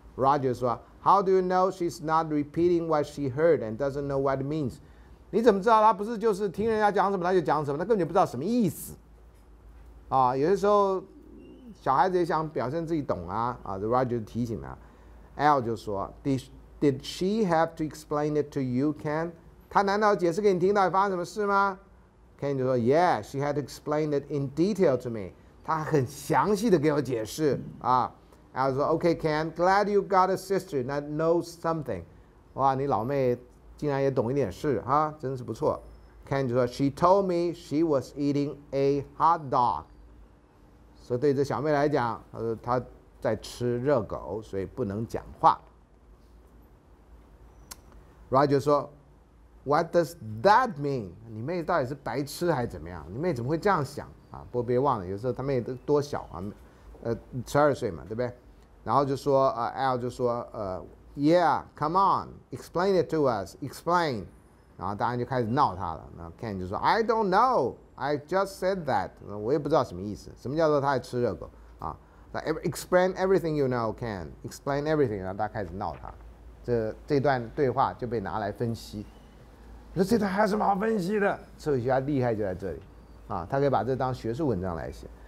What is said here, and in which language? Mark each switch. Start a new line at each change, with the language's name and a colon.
English: Roger
Chinese: 说
English: ，How do you know she's not repeating what she heard and doesn't know what it means？
Chinese: 你怎么知道她不是就是听人家讲什么她就讲什么，她根本就不知道什么意思啊？有些时候小孩子也想表现自己懂啊啊 ，Roger 提醒了 ，L 就说 ，
English: Did she have to explain it to you, Ken？
Chinese: 她难道解释给你听到底发生什么事吗？
English: Ken
Chinese: 就说
English: ：“Yeah, she had explained it in detail to me.
Chinese: 她很详细的给我解释啊。然后说
English: ，Okay, Ken, glad you got a sister that knows something.
Chinese: 哇，你老妹竟然也懂一点事哈、啊，真是不错。
English: Ken
Chinese: 就说
English: ，She told me she was eating a hot dog.
Chinese: 说对这小妹来讲，她说她在吃热狗，所以不能讲话。
English: Roger
Chinese: 说
English: What does that mean?
Chinese: 你妹到底是白痴还是怎么样？你妹怎么会这样想啊？不过别忘了，有时候她妹都多小啊，12岁嘛，对不对？然后就说
English: Al
Chinese: 就说
English: Yeah, come on, explain it to us, explain.
Chinese: 然后大家就开始闹他了。
English: 然后 Ken
Chinese: 就说
English: I don't know, I just said that.
Chinese: 我也不知道什么意思，什么叫做他在吃热狗啊？
English: Explain everything you know, Ken, explain everything.
Chinese: 然后大家开始闹他，这段对话就被拿来分析。我说这段还有什么好分析的？社会学家厉害就在这里啊，他可以把这当学术文章来写。